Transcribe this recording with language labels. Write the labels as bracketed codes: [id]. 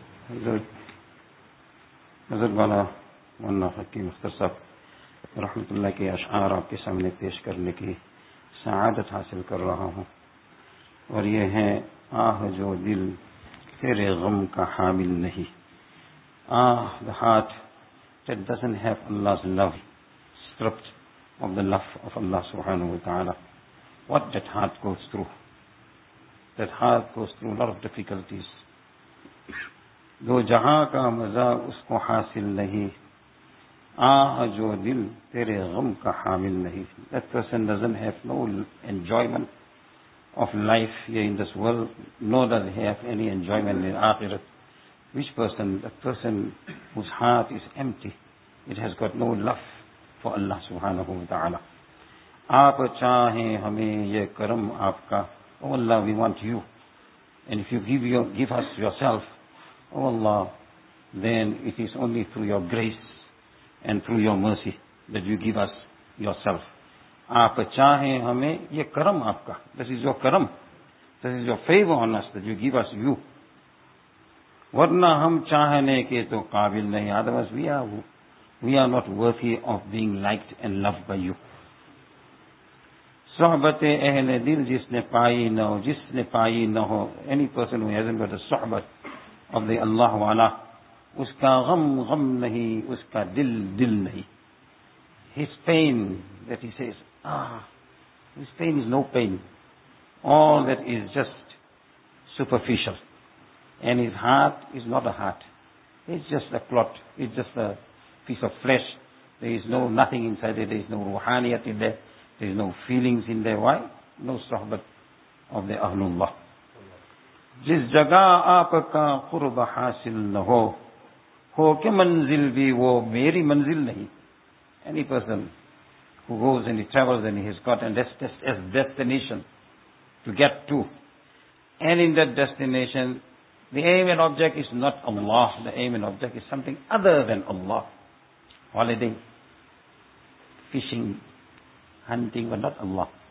[ur] حضرت والا مولانا حکیم اختر صاحب رحمۃ اللہ کے اشعار آپ کے سامنے پیش کرنے کی سعادت حاصل کر رہا ہوں، اور یہ ہے: آہ جو دل تیرے غم کا حامل نہیں، آہ [en] the heart that doesn't have Allah's love stripped of the love of Allah [ur] سبحانہ وتعالی. [en] What that heart goes through. That heart goes through a lot of difficulties. [ur] جو جہاں کا مزہ اس کو حاصل نہیں، آہ جو دل تیرے غم کا حامل نہیں. [en] That person doesn't have no enjoyment of life here in this world, nor does he have any enjoyment in akhirat. Which person? That person whose heart is empty. It has got no love for Allah subhanahu wa ta'ala. [ur] آپ چاہیں ہمیں یہ کرم آپ کا. [en] Oh Allah, we want you. And if you give us yourself, oh Allah, then it is only through your grace and through your mercy that you give us yourself. [ur] آپ چاہیں ہمیں یہ کرم آپ کا. [en] This is your karam. This is your favor on us that you give us you. [ur] ورنہ ہم چاہنے کے تو قابل نہیں. [en] Otherwise we are not worthy of being liked and loved by you. [ur] صحبت اہل دل جس نے پائی نہ ہو، جس نے پائی نہ ہو، [en] any person who hasn't got a [ur] صحبت [en] of the Allah [ur] والا، اس کا غم غم نہیں، اس کا دل دل نہیں. [en] His pain that he says, his pain is no pain. All that is just superficial. And his heart is not a heart. It's just a clot. It's just a piece of flesh. There is no nothing inside it. There is no ruhaniyat in there. There is no feelings in there. Why? No sohbat of the Ahlullah. [ur] جس جگہ آپ کا قرب حاصل نہ ہو، ہو کے منزل بھی وہ میری منزل نہیں. [en] Any person who goes and he travels and he has got a destination to get to, and in that destination the aim and object is not Allah, the aim and object is something other than Allah. Holiday, fishing, hunting, but not Allah.